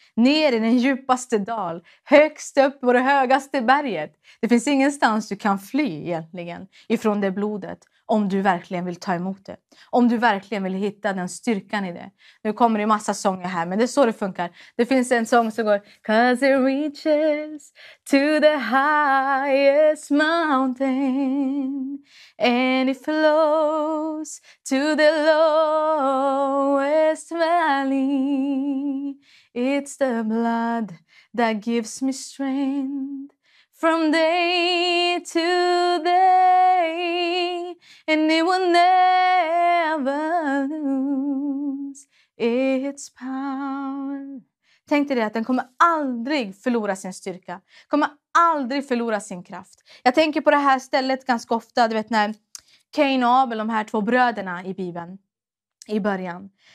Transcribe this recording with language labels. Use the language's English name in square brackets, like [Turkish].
[Swedish] Ner i den djupaste dal. Högst upp på det högaste berget. Det finns ingenstans du kan fly egentligen ifrån det blodet. Om du verkligen vill ta emot det. Om du verkligen vill hitta den styrkan i det. Nu kommer det en massa sånger här. Men det är så det funkar. Det finns en sång som går. [English] 'Cause it reaches to the highest mountain. And it flows to the lowest valley. It's the blood that gives me strength. From day to day, and it will never lose its power. [Swedish] Tänk dig att den kommer aldrig förlora sin styrka. Kommer aldrig förlora sin kraft. Jag tänker på det här stället ganska ofta. Du vet när Cain och Abel, de här två bröderna i Bibeln. I början.